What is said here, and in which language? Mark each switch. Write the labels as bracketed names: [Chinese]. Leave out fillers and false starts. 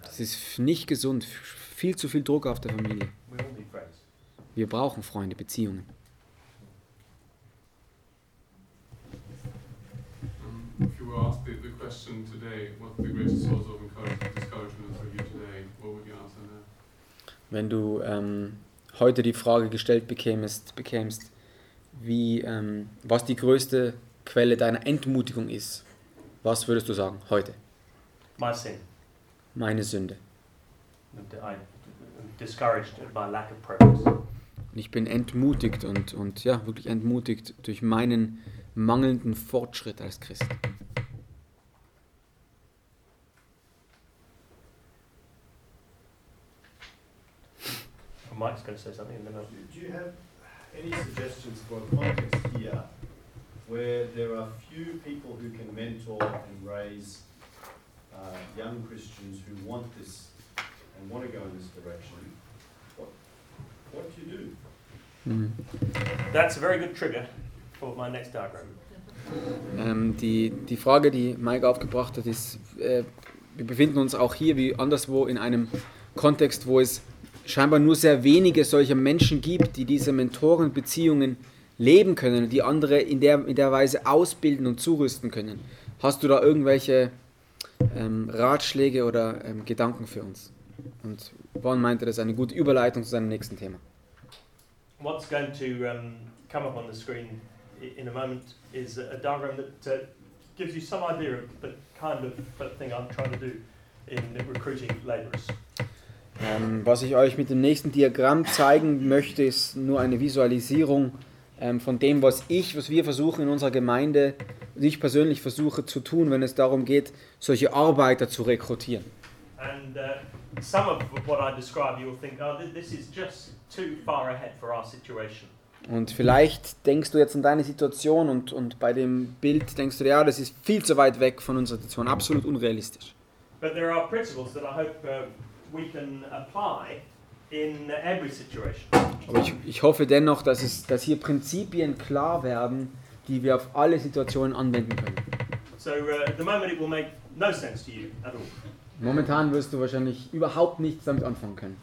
[German] family. Es ist nicht gesund, viel zu viel Druck auf der Familie. [English] We all need friends. [German] Wir brauchen Freunde, Beziehungen. [English] If you were asked the question today, what the greatest source of discouragement for you today, what would you answer now? [German] Wenn du heute die Frage gestellt bekämst, wie was die größte Quelle deiner Entmutigung ist, was würdest du sagen heute? [English] My sin. [German] Meine Sünde. [English] I'm discouraged by lack of progress. [German] Ich bin entmutigt und wirklich entmutigt durch meinen mangelnden Fortschritt als Christ. [English] Mike's going to say something in the middle. Do you have any suggestions for a context here where there are few people who can mentor and raise young Christians who want this and want to go in this direction? What do you do? That's a very good trigger for my next diagram. [German] Die Frage, die Mike aufgebracht hat, ist, wir befinden uns auch hier wie anderswo in einem Kontext, wo es scheinbar nur sehr wenige solcher Menschen gibt, die diese Mentorenbeziehungen leben können, die andere in der Weise ausbilden und zurüsten können. Hast du da irgendwelche Ratschläge oder Gedanken für uns? Und Vaughan meinte, das ist eine gute Überleitung zu seinem nächsten Thema. [English] What's going to come up on the screen in a moment is a diagram that gives you some idea of the kind of thing I'm trying to do in recruiting labourers. [German] Was ich euch mit dem nächsten Diagramm zeigen möchte, ist nur eine Visualisierung von dem, was wir versuchen in unserer Gemeinde, ich persönlich versuche zu tun, wenn es darum geht, solche Arbeiter zu rekrutieren. [English] And some of what I describe, you'll think, oh, this is just too far ahead for our situation. [German] Und vielleicht denkst du jetzt an deine Situation und bei dem Bild denkst du, ja, das ist viel zu weit weg von unserer Situation, absolut unrealistisch. [English] But there are principles that I hope we can apply in every situation. [German] Aber ich hoffe dennoch, dass hier Prinzipien klar werden, die wir auf alle Situationen anwenden können. [English] So at the moment it will make no sense to you at all. [German] Momentan wirst du wahrscheinlich überhaupt nichts damit anfangen können.